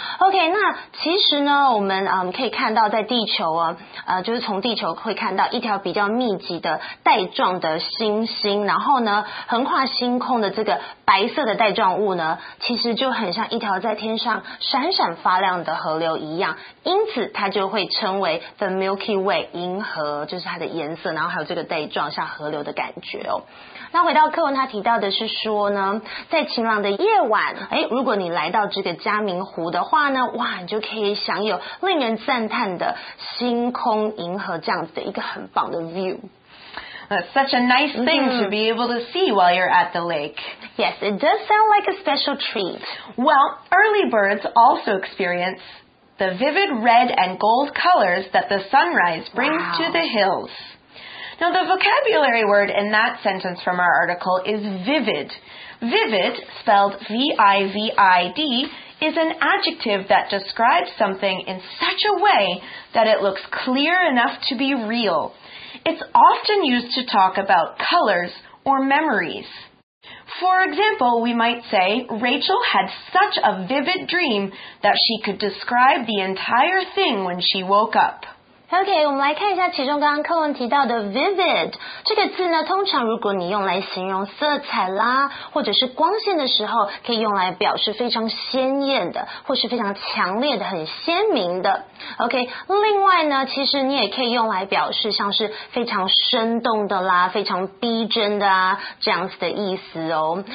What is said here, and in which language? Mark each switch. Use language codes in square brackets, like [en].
[zh] Okay, 那其实呢，我们可以看到在地球啊，就是从地球会看到一条比较密集的带状的星星，然后呢，横跨星空的这个白色的带状物呢，其实就很像一条在天上闪闪发亮的河流一样，因此它就会称为 the Milky Way 银河，就是它的颜色，然后还有这个带状像河流的感觉哦。那回到课文，他提到的是说呢，在晴朗的夜晚，哎，如果你来到这个嘉明湖的话呢，哇，你就可以享有令人赞叹的星空银河这样子的一个很棒的 view。 [en] That's such a nice thing to be able to see while you're at the lake. Yes, it does sound like a special treat. Well, early birds also experience the vivid red and gold colors that the sunrise brings to the hills. Now, the vocabulary word in that sentence from our article is vivid. Vivid, spelled V-I-V-I-D, is an adjective that describes something in such a way that it looks clear enough to be real. It's often used to talk about colors or memories. For example, we might say, Rachel had such a vivid dream that she could describe the entire thing when she woke up. [zh] OK, 我们来看一下其中刚刚课文提到的 vivid 这个字呢，通常如果你用来形容色彩啦或者是光线的时候，可以用来表示非常鲜艳的或是非常强烈的很鲜明的。 OK, 另外呢，其实你也可以用来表示像是非常生动的啦，非常逼真的啊，这样子的意思哦。